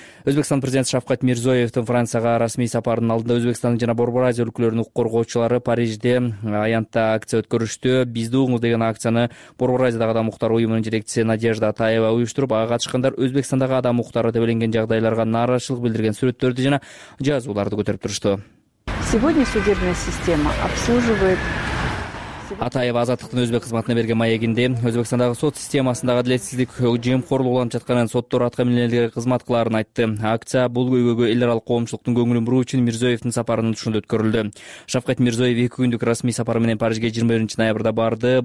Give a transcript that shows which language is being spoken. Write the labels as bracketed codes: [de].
[ky] Өзбекстан президенти Шавкат Мирзиёевдин Францияга расмий сапарынын алдында Өзбекстандын жана Борбор Азия өлкөлөрүнүн укук коргоочулары Парижде аянтта акция өткөрүштү. Бизди угуңуз деген акцияны Борбор Азиядагы адам укуктары уюмунун жетекчиси Надежда Атаева уюштуруп, ага катышкандар Өзбекстандагы адам укуктары деп эленген жагдайларга нааразычылык билдирген сүрөттөрдү жана жазууларды көтөрүп турушту. [ru] Сегодня судебная система обслуживает. [ky] Атаева азаттыктын өзбек кызматына берген маегинде Өзбекстандагы сот системасындагы адилетсиздик жемкорлук уланып жатканын соттор аткаминерлер кызматкаларын айтты. Акция бул көйгөйгө эл аралык коомчулуктун көңүлүн буруу үчүн Мирзиёевдин сапарынын тушунда өткөрүлдү. Шавкат Мирзиёев 2 күндүк расмий сапары менен Парижге 21 ноябрда барды.